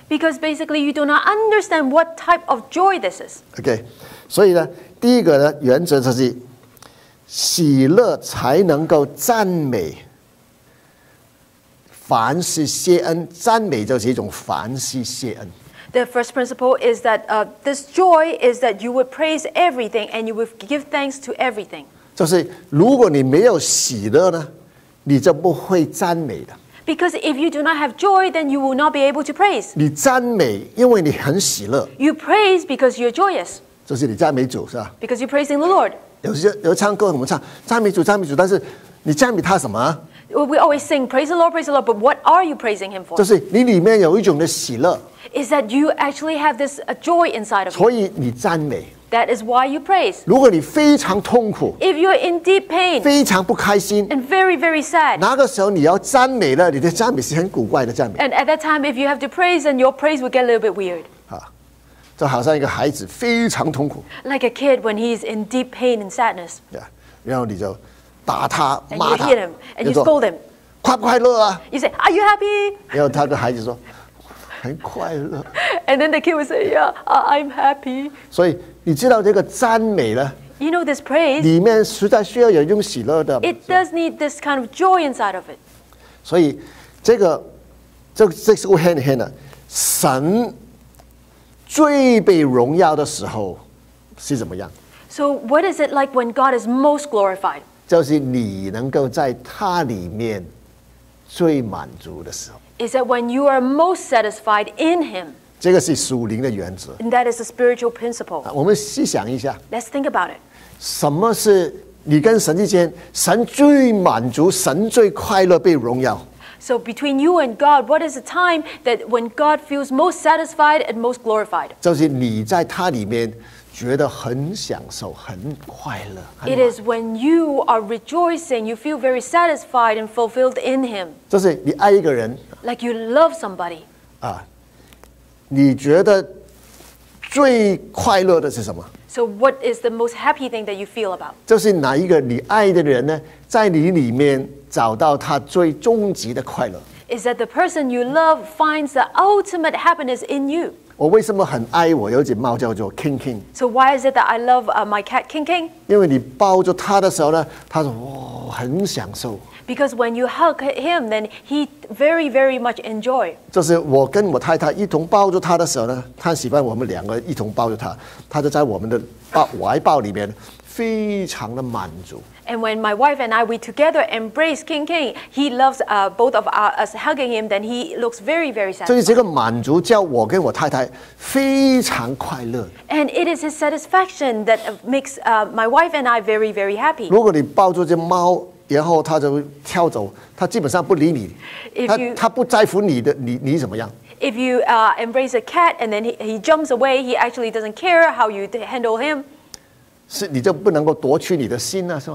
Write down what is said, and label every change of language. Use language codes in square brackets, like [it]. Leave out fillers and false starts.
[en] Because basically you do not understand what type of joy this is. [zh] Okay, 所以呢，第一个呢原则就是喜乐才能够赞美。凡事谢恩，赞美就是一种凡事谢恩。 [en] The first principle is that this joy is that you would praise everything and you would give thanks to everything. [zh] 就是如果你没有喜乐呢，你就不会赞美的。 [en] Because if you do not have joy, then you will not be able to praise. [zh] 你赞美，因为你很喜乐。 [en] You praise because you're joyous. [zh] 就是你赞美主是吧 [en] ？Because you're praising the Lord. [zh] 有唱歌怎么唱？赞美主，赞美主，但是你赞美他什么？ [en] We always sing praise the Lord, praise the Lord. But what are you praising Him for? [zh] 就是你里面有一种的喜乐。 [en] Is that you actually have this joy inside of you? [zh] 所以你赞美。 [en] That is why you praise. [zh] 如果你非常痛苦 [en] ，If you are in deep pain, [zh] 非常不开心 [en] ，and very very sad, [zh] 那个时候你要赞美了，你的赞美是很古怪的赞美。 [en] And at that time, if you have to praise, then your praise will get a little bit weird. [zh] 就好像一个孩子非常痛苦 [en] ，like a kid when he is in deep pain and sadness. [zh] Yeah, 然后你就。打他骂他 [en] him, and you scold him. [zh] 快不快乐啊 [en] ？You say, "Are you happy?" [zh] 然后他的孩子说，很快乐。 [en] And then the kid would say, "Yeah, I'm happy." [zh] 所以你知道这个赞美呢 [en] ？You know this praise. [zh] 里面实在需要有一种喜乐的。 [en] It does need this kind of joy inside of it. [zh] 所以这个这是个很很的神最被荣耀的时候是怎么样 [en] ？So what is it like when God is most glorified? [zh] 就是你能够在他里面最满足的时候。 [en] Is that when you are most satisfied in Him? [zh] 这个是属灵的原则。 [en] And that is a spiritual principle. [zh] 我们细想一下。 [en] Let's think about it. [zh] 什么是你跟神之间，神最满足，神最快乐被荣耀 [en] ？So between you and God, what is the time that when God feels most satisfied and most glorified? [zh] 就是你在他里面。觉得很享受，很快乐。 [en] It is when you are rejoicing, you feel very satisfied and fulfilled in Him. [zh] 就是你爱一个人 [en] ，like you love somebody. [zh] 啊，你觉得最快乐的是什么 [en] ？So what is the most happy thing that you feel about? [zh] 就是哪一个你爱的人呢，在你里面找到他最终极的快乐 [en] ？Is that the person you love finds the ultimate happiness in you? [zh] 我为什么很爱我有一只猫叫做 King King? [en] So why is it that I love my cat King King? [zh] 因为你抱着他的时候呢，他说哇很享受。 [en] Because when you hug him, then he very very much enjoy. [zh] 就是我跟我太太一同抱着他的时候呢，他喜欢我们两个一同抱着他，他就在我们的怀抱里面非常的满足。 [en] And when my wife and I we together embrace King King, he loves both of us hugging him. Then he looks very very satisfied. [zh] 所以这个满足叫我跟我太太非常快乐。 [en] And it is his satisfaction that makes my wife and I very very happy. [zh] 如果你抱住这猫，然后它就跳走，它基本上不理你，它不在乎你的你怎么样。 [en] If you embrace a cat and then he jumps away, he actually doesn't care how you handle him. [zh] 是你就不能够夺取你的心了，是吧？